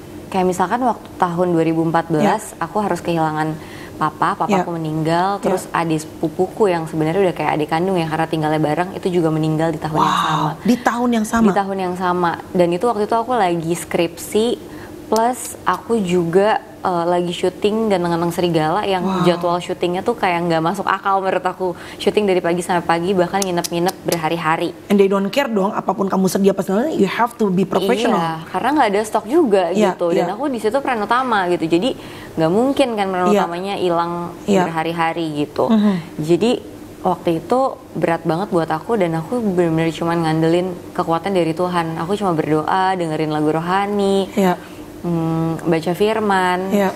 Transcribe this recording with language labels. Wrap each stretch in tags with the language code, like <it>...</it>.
<id>Kayak misalkan waktu tahun 2014 aku harus kehilangan papa aku meninggal, terus adik sepupuku yang sebenarnya udah kayak adik kandung ya karena tinggalnya bareng itu juga meninggal di tahun yang sama. Di tahun yang sama. Dan itu waktu itu aku lagi skripsi plus aku juga lagi syuting Ganteng-Ganteng Serigala yang jadwal syutingnya tuh kayak nggak masuk akal menurut aku, syuting dari pagi sampai pagi bahkan nginep-nginep berhari-hari.</id> <en>And they don't care</en> <id>dong apapun kamu sedih apa segala,</id> <en>you have to be professional.</en> <id>Iya, karena nggak ada stok juga gitu. Dan aku di situ peran utama gitu, jadi nggak mungkin kan peran utamanya hilang berhari-hari gitu. Jadi waktu itu berat banget buat aku dan aku benar-benar cuma ngandelin kekuatan dari Tuhan. Aku cuma berdoa, dengerin lagu rohani. Baca firman.</id>